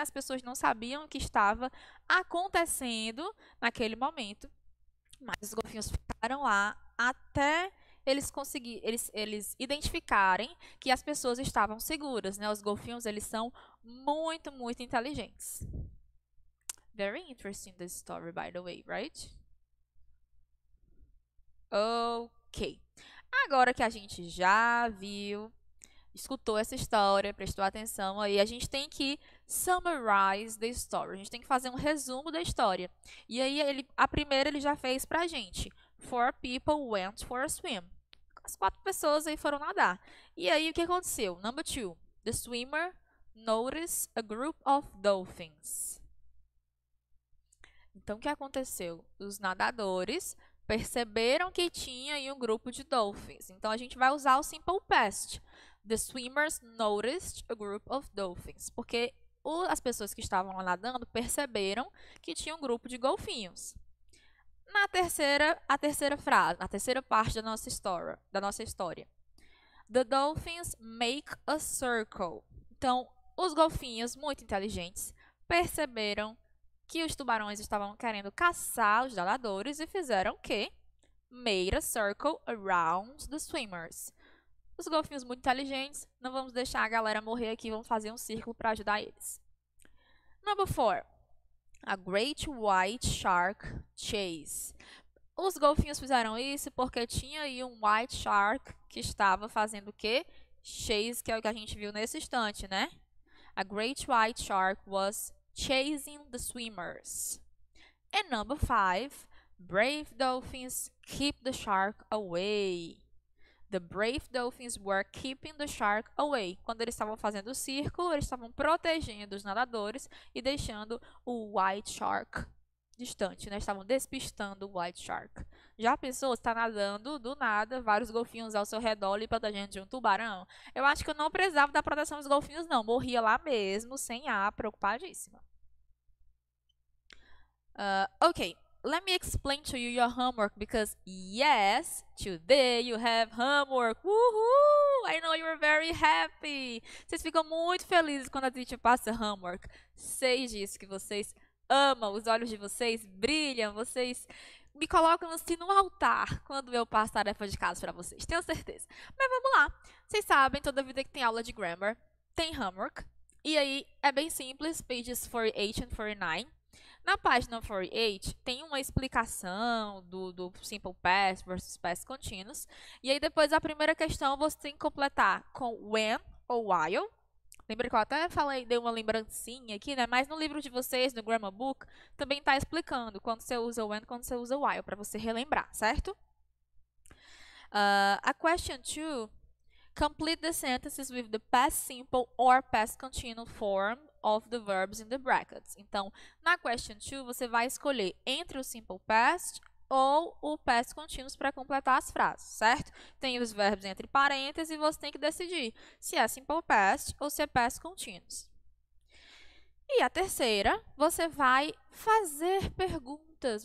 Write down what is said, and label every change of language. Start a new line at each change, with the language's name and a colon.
Portuguese: As pessoas não sabiam o que estava acontecendo naquele momento. Mas os golfinhos ficaram lá até eles identificarem que as pessoas estavam seguras, né? Os golfinhos, eles são muito, muito inteligentes.
English: Very interesting this story, by the way, right?
Portuguese: Ok. Agora que a gente já viu, escutou essa história, prestou atenção, aí a gente tem que
English: summarize the story.
Portuguese: A gente tem que fazer um resumo da história. E aí, a primeira ele já fez pra gente.
English: Four people went for a swim.
Portuguese: As quatro pessoas aí foram nadar. E aí, o que aconteceu?
English: Number two, the swimmer notice a group of dolphins.
Portuguese: Então, o que aconteceu? Os nadadores perceberam que tinha aí um grupo de dolphins. Então, a gente vai usar o simple past.
English: The swimmers noticed a group of dolphins.
Portuguese: Porque as pessoas que estavam lá nadando perceberam que tinha um grupo de golfinhos. Na terceira, a terceira frase, a terceira parte da nossa história.
English: The dolphins make a circle.
Portuguese: Então, os golfinhos, muito inteligentes, perceberam que os tubarões estavam querendo caçar os nadadores e fizeram o quê?
English: Made a circle around the swimmers.
Portuguese: Os golfinhos muito inteligentes, não vamos deixar a galera morrer aqui, vamos fazer um círculo para ajudar eles.
English: Number four, a great white shark chase.
Portuguese: Os golfinhos fizeram isso porque tinha aí um white shark que estava fazendo o quê? Chase, que é o que a gente viu nesse instante, né?
English: A great white shark was chasing the swimmers. And number five, brave dolphins keep the shark away. The brave dolphins were keeping the shark away.
Portuguese: Quando eles estavam fazendo o círculo, eles estavam protegendo os nadadores e deixando o white shark distante, né? Estavam despistando o white shark. Já pensou, você está nadando, do nada, vários golfinhos ao seu redor ali protegendo de um tubarão? Eu acho que eu não precisava da proteção dos golfinhos, não. Morria lá mesmo, sem ar, preocupadíssima.
English: Ok, let me explain to you your homework, because yes, today you have homework. Woohoo! I know you are very happy.
Portuguese: Vocês ficam muito felizes quando a teacher passa homework. Sei disso, que vocês amam, os olhos de vocês brilham, vocês... me colocam assim no altar quando eu passo a tarefa de casa para vocês, tenho certeza. Mas vamos lá. Vocês sabem, toda vida que tem aula de grammar, tem homework. E aí, é bem simples,
English: pages 48 and 49.
Portuguese: Na página 48, tem uma explicação do simple past versus past continuous. E aí, depois, a primeira questão, você tem que completar com when ou while. Lembra que eu até falei, dei uma lembrancinha aqui, né? Mas no livro de vocês, no Grammar Book, também está explicando quando você usa when, quando você usa while, para você relembrar, certo?
English: A question 2, complete the sentences with the past simple or past continuous form of the verbs in the brackets.
Portuguese: Então, na question 2, você vai escolher entre o simple past ou o past continuous para completar as frases, certo? Tem os verbos entre parênteses e você tem que decidir se é simple past ou se é past continuous. E a terceira, você vai fazer perguntas.